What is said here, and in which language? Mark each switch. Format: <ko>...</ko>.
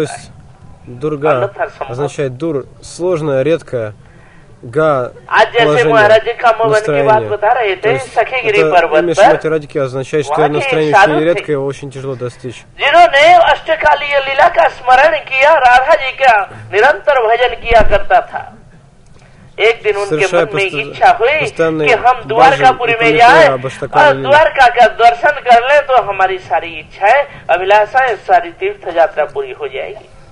<ru>есть Дурга означает дур, сложное, редкое.</ru> <hi>आज जैसे महाराज जी का मवन की बात बता रहे थे सखीगिरी पर्वत पर</hi> <ru>श्रीमती राधिका означает что её настроение очень редкое очень тяжело достичь</ru> <hi>जिन्होंने अष्टकालीय लीला का स्मरण किया राधा जी का निरंतर भजन किया करता था एक दिन उनके मन में इच्छा हुई कि हम द्वारकापुरी में जाएं और द्वारका का दर्शन कर लें तो हमारी सारी इच्छाएं अभिलाषाएं सारी तीर्थ यात्रा पूरी हो जाएगी</hi>